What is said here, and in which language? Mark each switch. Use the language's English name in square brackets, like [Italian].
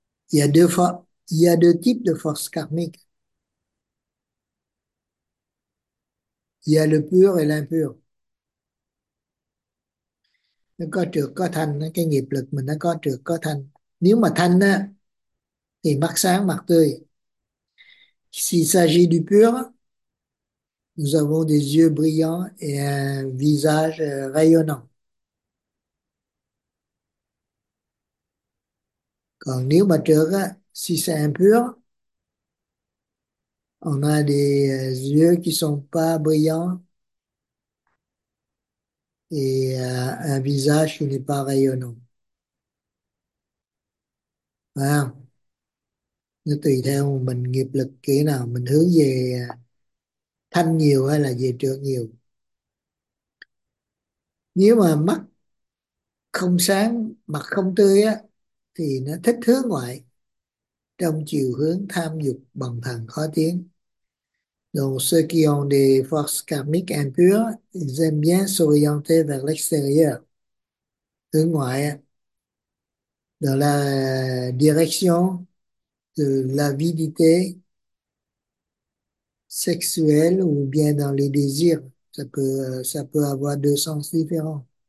[French] Il y a deux types de forces karmiques. Il y a le pur et l'impur. [Vietnamese] Nó có trược có thanh, cái nghiệp lực mình nó có trược có thanh. Nếu mà thanh á, thì mắt sáng, mặt tươi. [French] S'il s'agit du pur, nous avons des yeux brillants et un visage rayonnant. [Vietnamese] Còn nếu mà trước á, [French] si c'est impur, on a des yeux qui sont pas brillants et un visage qui n'est pas rayonnant. Voilà. [Vietnamese] Nó tùy theo mình nghiệp lực kiểu nào, mình hướng về thanh nhiều hay là về trượt nhiều. Nếu mà mắt không sáng, mặt không tươi á, thì nó thích hướng ngoại trong chiều hướng tham dục bần thần khó tiến. [French] Donc ceux qui ont des forces karmiques impures, ils aiment bien s'orienter vers l'extérieur. [Vietnamese] Hướng ngoại á. [French] Dans la direction de l'avidité sexuel ou bien dans les désirs, ça peut avoir deux sens différents.